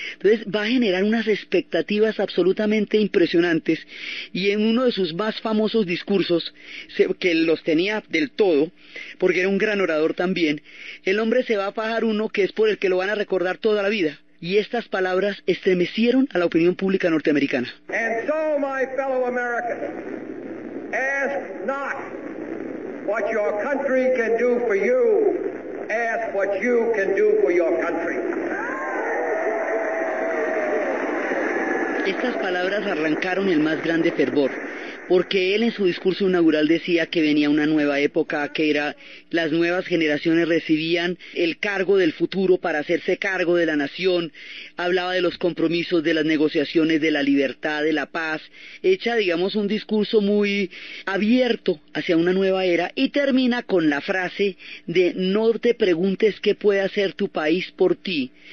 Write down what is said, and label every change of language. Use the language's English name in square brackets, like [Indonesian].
[Spanish] Entonces va a generar unas expectativas absolutamente impresionantes, y en uno de sus más famosos discursos, que los tenía del todo, porque era un gran orador también, el hombre se va a fajar uno que es por el que lo van a recordar toda la vida, y estas palabras estremecieron a la opinión pública norteamericana. [English] And so, my fellow Americans, ask not what your country can do for you, ask what you can do for your country. [Spanish] Estas palabras arrancaron el más grande fervor, porque él en su discurso inaugural decía que venía una nueva época, que era las nuevas generaciones recibían el cargo del futuro para hacerse cargo de la nación, hablaba de los compromisos, de las negociaciones, de la libertad, de la paz, echa, digamos, un discurso muy abierto hacia una nueva era, y termina con la frase de no te preguntes qué puede hacer tu país por ti,